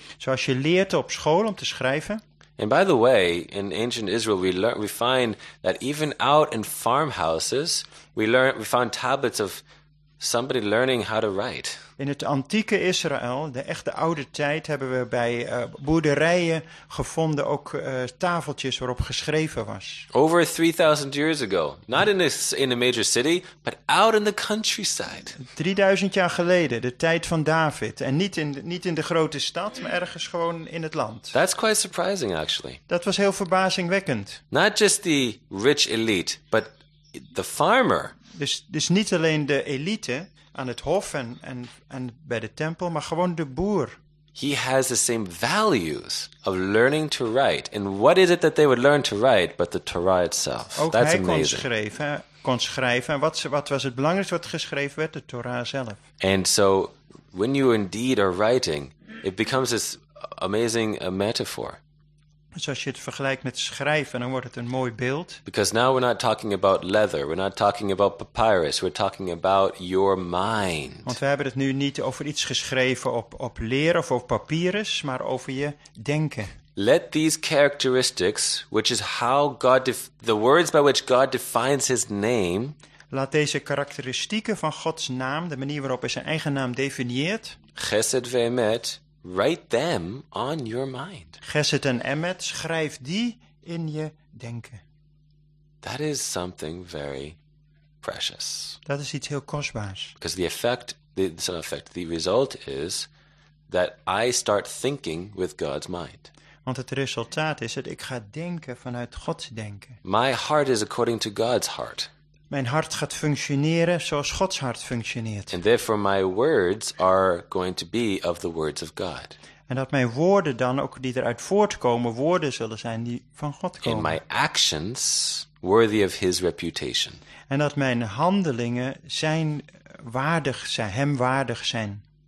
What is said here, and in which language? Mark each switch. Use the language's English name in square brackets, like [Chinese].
[Dutch] Zoals je leert op school om te schrijven. [English] And by the way, in ancient Israel, we find that even out in farmhouses, we found tablets of somebody learning how to write. [Dutch] In het antieke Israël, de echte oude tijd, hebben we bij boerderijen gevonden ook tafeltjes waarop geschreven was. [English] Over 3000 years ago, not in a major city, but out in the countryside. [Dutch] 3000 jaar geleden, de tijd van David, en niet in de grote stad, maar ergens gewoon in het land. [English] That's quite surprising, actually. [Dutch] Dat was heel verbazingwekkend. [English] Not just the rich elite, but the farmer. [Dutch] Dus niet alleen de elite aan het hof en bij de tempel, maar gewoon de boer. [English] He has the same values of learning to write. And what is it that they would learn to write but the Torah itself? [Dutch] Ook [English] that's [Dutch] hij [English] amazing. [Dutch] kon schrijven. En wat was het belangrijkste wat geschreven werd? De Torah zelf. [English] And so, when you indeed are writing, it becomes this amazing metaphor. [Dutch] Dus als je het vergelijkt met schrijven, dan wordt het een mooi beeld. [English] Because now we're not talking about leather, we're not talking about papyrus, we're talking about your mind. [Dutch] Want we hebben het nu niet over iets geschreven op leer of op papyrus, maar over je denken. [English] Let these characteristics, which is how God the words by which God defines his name. [Dutch] Laat deze karakteristieken van Gods naam, de manier waarop hij zijn eigen naam definieert. [English] Chesed ve'emet, write them on your mind. [Dutch] Chesed en emet, schrijf die in je denken. [English] That is something very precious. [Dutch] Dat is iets heel kostbaars. [English] Because the effect, the result is that I start thinking with God's mind. [Dutch] Want het resultaat is dat ik ga denken vanuit Gods denken. [English] My heart is according to God's heart. [Dutch] Mijn hart gaat functioneren zoals Gods hart functioneert. [English] And therefore my words are going to be of the words of God. [Dutch] En dat mijn woorden dan ook die eruit voortkomen woorden zullen zijn die van God komen. [English] And my actions worthy of his reputation. [Dutch] En dat mijn handelingen zijn waardig zijn, hem waardig zijn.